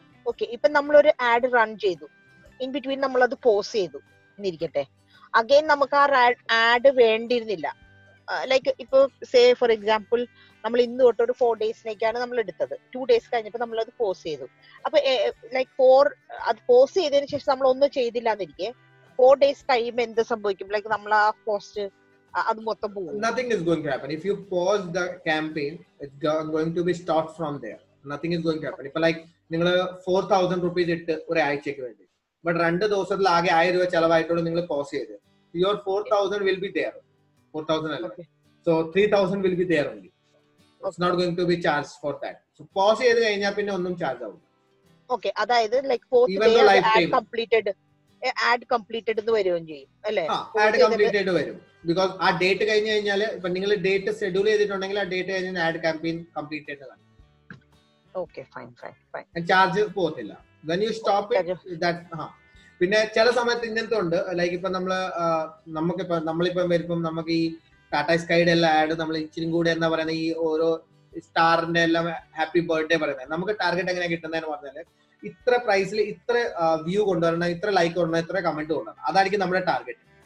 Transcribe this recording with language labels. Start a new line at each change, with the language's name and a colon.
Malayalam: Okay, ഇപ്പൊ നമ്മൾ ഒരു ആഡ് റൺ ചെയ്തു,
English: in between
Malayalam: നമ്മൾ അത് പോസ് ചെയ്തു എന്നിരിക്കട്ടെ, അഗൈൻ നമുക്ക് ആ ആഡ് വേണ്ടിയിരുന്നില്ല. ലൈക്ക് ഇപ്പൊ
English: say for example
Malayalam: നമ്മൾ ഇന്ന് തൊട്ട് ഒരു 4 days നമ്മൾ എടുത്തത്, 2 days കഴിഞ്ഞപ്പോ നമ്മൾ അത് പോസ് ചെയ്തു. അപ്പൊ ലൈക്ക് അത് പോസ് ചെയ്തതിന് ശേഷം നമ്മൾ ഒന്നും ചെയ്തില്ല എന്നിരിക്കെ 4 days കഴിയുമ്പോ എന്ത് സംഭവിക്കും? ലൈക്ക് നമ്മൾ ആ post
English: Nothing is going to happen. If you pause the campaign, it's going to be stopped from there. Nothing is going to happen. If like,
Malayalam: നിങ്ങള് 4,000 rupees ഇട്ട് ഒരാഴ്ചയ്ക്ക് വേണ്ടി, but രണ്ട് ദിവസത്തിൽ ആകെ 1,000 രൂപ ചെലവായിട്ടോട് നിങ്ങൾ പോസ് ചെയ്ത്,
English: your 4,000 will be there. 4,000
Malayalam: അല്ല,
English: so 3,000 will be there only. It's not going to be charged for that.
Malayalam: So pause ചെയ്ത് കഴിഞ്ഞാൽ പിന്നെ ഒന്നും ചാർജ് ആവില്ല.
English: Okay,
Malayalam: അതായത്
English: like 4th day ad completed.
Malayalam: Add completed എന്ന് വരികയും ചെയ്യും അല്ലേ? ആഡ് കംപ്ലീറ്റഡ് വരും, ബിക്കോസ് ആ ഡേറ്റ് കഴിഞ്ഞു കഴിഞ്ഞാല് ഇപ്പൊ നിങ്ങൾ ഡേറ്റ് ഷെഡ്യൂൾ ചെയ്തിട്ടുണ്ടെങ്കിൽ ആ ഡേറ്റ് കഴിഞ്ഞാൽ ആഡ് കാമ്പയിൻ കംപ്ലീറ്റഡ് ആണ്. Okay, fine fine
English: Fine.
Malayalam: Charge പോകത്തില്ല.
English: When you stop it that.
Malayalam: ആ പിന്നെ ചില സമയത്ത് ഇങ്ങനത്തെ ഉണ്ട്, ലൈക്ക് ഇപ്പൊ നമ്മള് നമുക്കിപ്പം നമ്മളിപ്പം വരുമ്പം നമുക്ക് ഈ ടാറ്റ സ്കൈഡ് എല്ലാം ആഡ് നമ്മൾ ഇച്ചിരി കൂടെ എന്താ പറയുന്നത് ഈ ഓരോ സ്റ്റാറിന്റെ എല്ലാം ഹാപ്പി ബർത്ത്ഡേ പറയുന്നത് നമുക്ക് ടാർഗറ്റ് എങ്ങനെ കിട്ടുന്നതെന്ന് പറഞ്ഞാല് ഇത്ര പ്രൈസിൽ ഇത്ര വ്യൂ കൊണ്ടുവരണം, ഇത്ര ലൈക്ക് കൊണ്ടുവരണം, ഇത്ര കമന്റ് കൊണ്ടുവരണം, അതായിരിക്കും നമ്മുടെ ടാർഗറ്റ്.